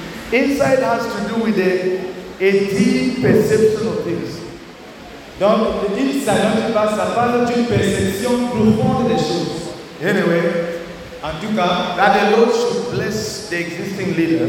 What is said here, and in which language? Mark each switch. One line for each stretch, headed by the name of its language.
English: Insight has to do with a deep perception of things.
French: Donc, le insight, ça parle d'une perception profonde des choses.
English: Anyway,
French: en tout cas,
English: that the Lord should bless the existing leaders.